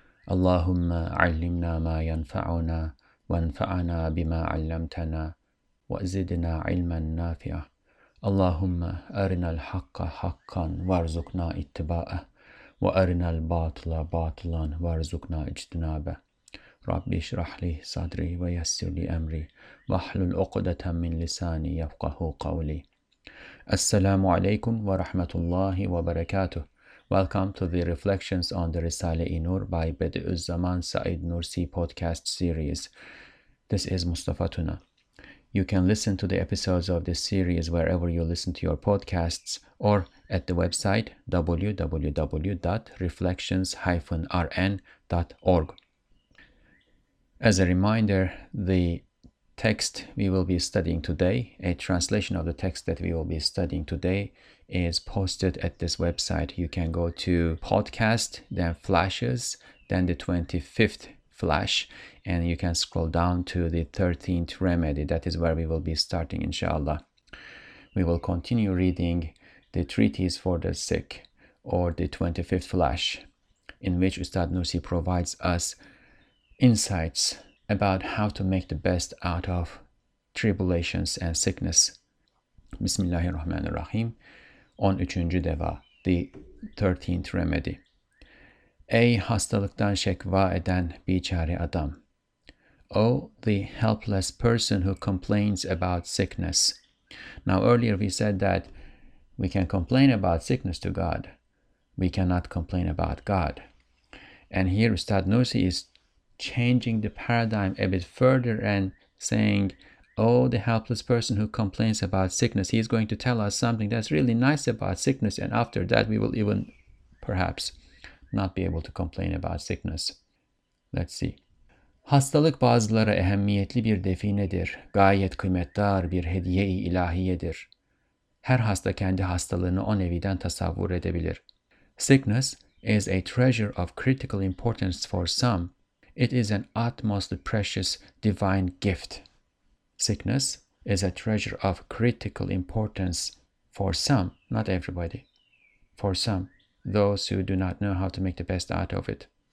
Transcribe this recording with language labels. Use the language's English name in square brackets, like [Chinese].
[Arabic] اللهم علمنا ما ينفعنا وانفعنا بما علمتنا وزدنا علما نافعا اللهم أرنا الحق حقا وارزقنا اتباعه وأرنا الباطل باطلا وارزقنا اجتنابه رب اشرح لي صدري ويسر لي أمري واحلل عقدة من لساني يفقه قولي السلام عليكم ورحمة الله وبركاته [English] Welcome to the Reflections on the Risale-i Nur by Bediüzzaman Said Nursi podcast series. This is Mustafa Tuna. You can listen to the episodes of this series wherever you listen to your podcasts or at the website www.reflections-rn.org. As a reminder, the text we will be studying today, a translation of the text that we will be studying today, is posted at this website. You can go to podcast, then flashes, then the 25th flash, and you can scroll down to the 13th remedy. That is where we will be starting, inshallah. We will continue reading the treatise for the sick, or the 25th flash, in which Ustad Nursi provides us insights about how to make the best out of tribulations and sickness. Bismillahirrahmanirrahim. [Turkish] 13. deva, [English] the 13th remedy. [Turkish] Ey hastalıktan şekva eden biçare adam. [English] Oh, the helpless person who complains about sickness. Now, earlier we said that we can complain about sickness to God. We cannot complain about God. And here Ustad Nursi is changing the paradigm a bit further and saying, oh, the helpless person who complains about sickness. He is going to tell us something that's really nice about sickness. And after that, we will even perhaps not be able to complain about sickness. Let's see. [Turkish] Hastalık bazılara ehemmiyetli bir definedir. Gayet kıymetdar bir hediye-i ilahiyedir. Her hasta kendi hastalığını o neviden tasavvur edebilir. [English] Sickness is a treasure of critical importance for some. It is an utmost precious divine gift. Sickness is a treasure of critical importance for some, not everybody. For some, those who do not know how to make the best out of it.